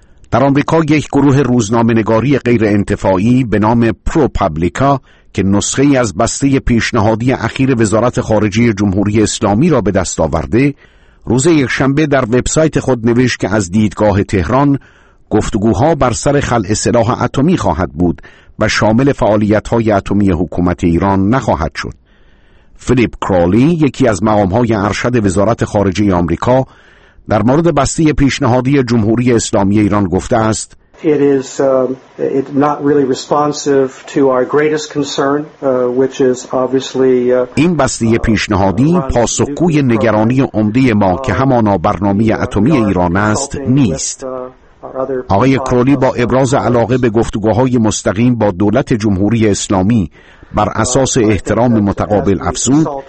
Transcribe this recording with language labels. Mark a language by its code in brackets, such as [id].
[fa] در آمریکا یک گروه روزنامه‌نگاری غیر انتفاعی به نام پرو پابلیکا که نسخه‌ای از بسته پیشنهادی اخیر وزارت خارجه جمهوری اسلامی را به دست آورده روز یکشنبه در وبسایت خود نوشت که از دیدگاه تهران گفتگوها بر سر خلع سلاح اتمی خواهد بود و شامل فعالیت‌های اتمی حکومت ایران نخواهد شد. فیلیپ کرالی یکی از مقام‌های ارشد وزارت خارجه آمریکا در مورد بسته پیشنهادی جمهوری اسلامی ایران گفته است [en] It is not really responsive to our greatest concern, which is obviously. [fa] این بسته پیشنهادی پاسخگوی نگرانی عمده ما که همانا برنامه اتمی ایران است نیست. آقای کرولی با ابراز علاقه به گفتگوهای مستقیم با دولت جمهوری اسلامی بر اساس احترام متقابل افزود.